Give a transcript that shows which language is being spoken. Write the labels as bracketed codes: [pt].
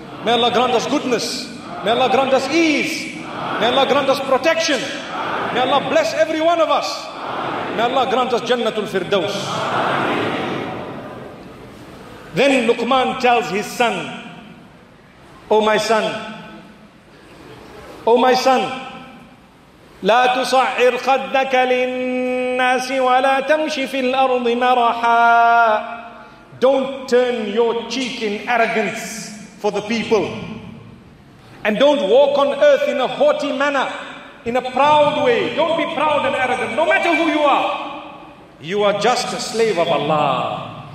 [en] May Allah grant us goodness. May Allah grant us ease. May Allah grant us protection. May Allah bless every one of us. May Allah grant us Jannatul Firdaus. Then Luqman tells his son, Oh my son, [ar] لا تصعر خدك للناس ولا تمشي في الأرض مرحا. [en] Don't turn your cheek in arrogance for the people. And don't walk on earth in a haughty manner, in a proud way. Don't be proud and arrogant, no matter who you are. You are just a slave of Allah.